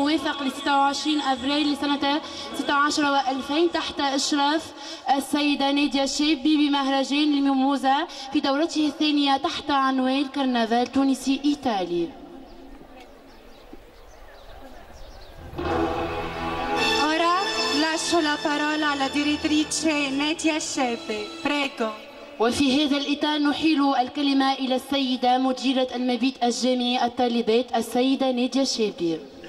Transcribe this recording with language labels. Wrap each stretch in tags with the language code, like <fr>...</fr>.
<ar>أفريل لسنة 26 تحت إشراف السيدة نادية شابي بمهرجان الميموزا في دورته الثانية تحت عنوان كرنفال تونسي إيطالي.</ar> <it>Ora lascio la parola alla direttrice Nadia Shebe. Prego.</it> <ar>وفي هذا الإطار نحيل الكلمة إلى السيدة مديرة المبيت الجامعي الطالبات السيدة نادية شابي.</ar>